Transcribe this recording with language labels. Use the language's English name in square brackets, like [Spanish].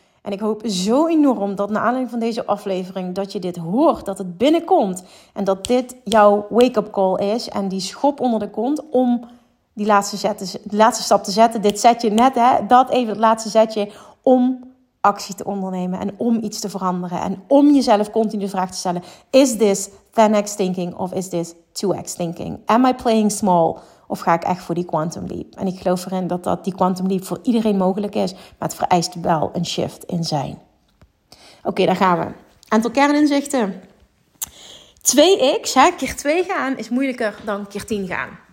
[Dutch] En ik hoop zo enorm dat naar aanleiding van deze aflevering dat je dit hoort, dat het binnenkomt en dat dit jouw wake-up call is en die schop onder de kont om die laatste stap te zetten. Dit setje net, hè, dat even het laatste zetje om actie te ondernemen en om iets te veranderen en om jezelf continu de vraag te stellen. [English] Is this 10x thinking [Dutch] of [English] is this 2x thinking? Am I playing small? [Dutch] Of ga ik echt voor die quantum leap? En ik geloof erin dat die quantum leap voor iedereen mogelijk is. Maar het vereist wel een shift in zijn. Oké, daar gaan we. Aantal kerninzichten. 2x, hè, keer 2 gaan, is moeilijker dan keer 10 gaan.